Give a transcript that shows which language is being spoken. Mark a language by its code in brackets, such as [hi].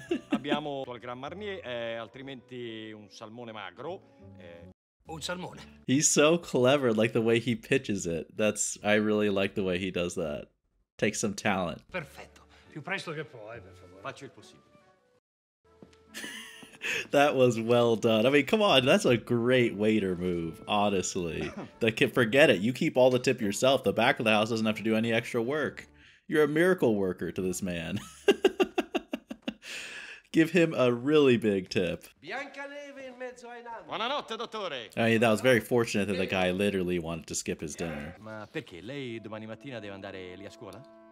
[it] Abbiamo il gran marnier, altrimenti un salmone magro. Un salmone. [en] He's so clever, like the way he pitches it. That's, I really like the way he does that. Takes some talent. [it] Perfetto. Più presto che puoi, per favore. Faccio il possibile. [en] That was well done. I mean, come on, that's a great waiter move, honestly. Forget it. You keep all the tip yourself. The back of the house doesn't have to do any extra work. You're a miracle worker to this man. Give him a really big tip. [it] Biancaneve in mezzo ai nani. Buonanotte, dottore. [en] I mean, that was very fortunate that the guy literally wanted to skip his dinner. [it] Ma perché lei domani mattina deve andare lì a scuola?